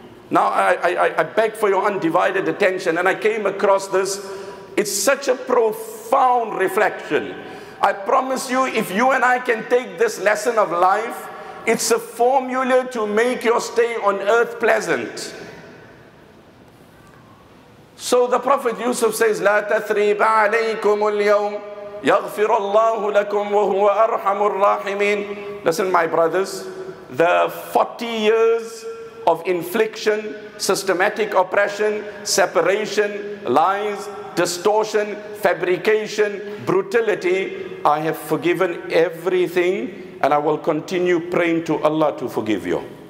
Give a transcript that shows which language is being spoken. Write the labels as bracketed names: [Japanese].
[English] Now I beg for your undivided attention, and I came across this. It's such a profound reflection. I promise you, if you and I can take this lesson of life, it's a formula to make your stay on earth pleasant. So the Prophet Yusuf says, [Arabic] لَا تَثْرِيبَ عَلَيْكُمُ الْيَوْمِ يَغْفِرُ اللَّهُ لَكُمْ وَهُوَ أَرْحَمُ الرَّاحِمِينَ. [English] Listen, my brothers, the 40 years of infliction, systematic oppression, separation, lies, distortion, fabrication, brutality, I have forgiven everything and I will continue praying to Allah to forgive you.